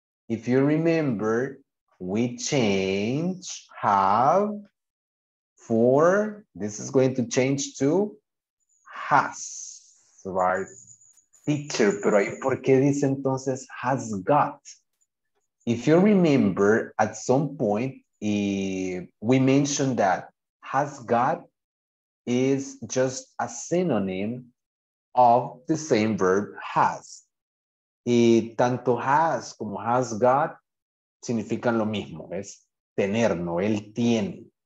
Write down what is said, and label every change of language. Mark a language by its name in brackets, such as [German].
[English] If you remember, we change have for, this is going to change to has, right? [Spanish] Teacher, pero ahí, ¿por qué dice entonces has got? [English] If you remember, at some point, we mentioned that has got is just a synonym of the same verb has. [Spanish] Y tanto has como has got significan lo mismo, es tener, no, él tiene.